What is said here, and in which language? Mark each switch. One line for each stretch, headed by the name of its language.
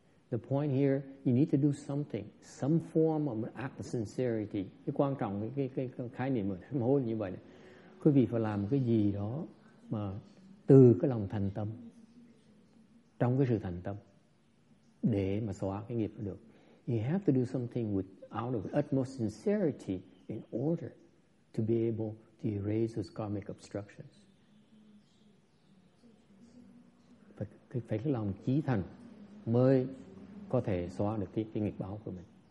English: The point here, you need to do something, some form of an act of sincerity.
Vietnamese: Cái quan trọng cái khái niệm mà sám hối như vậy này, quý vị phải làm cái gì đó mà từ cái lòng thành tâm, trong cái sự thành tâm để mà xóa cái nghiệp được.
English: You have to do something with out of utmost sincerity in order to be able to erase those karmic obstructions.
Vietnamese: Phải cái lòng chí thành mới có thể xóa được cái nghiệp báo của mình.